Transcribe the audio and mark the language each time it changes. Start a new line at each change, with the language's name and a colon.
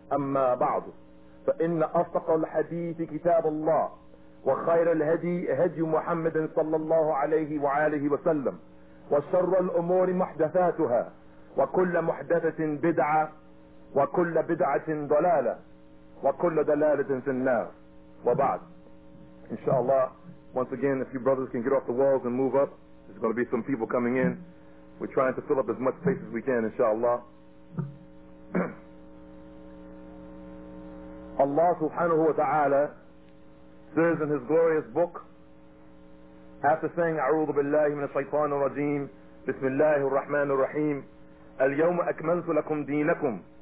Arabic: أما بعد، فإن أصدق الحديث كتاب الله، وخير الهدي هدي محمد صلى الله عليه وآله وسلم، وشر الأمور محدثاتها، وكل محدثة بدعة، وكل بدعة ضلالة، وكل دلالة في النار. وبعد، إن شاء الله.
English: Once again, if you brothers can get off the walls and move up, there's going to be some people coming in. We're trying to fill up as much space as we can, inshallah. Allah subhanahu wa ta'ala says in his glorious book, after saying,
Arabic: أعوذ بالله من الشيطان الرجيم، بسم الله الرحمن الرحيم، اليوم أكملت لكم دينكم.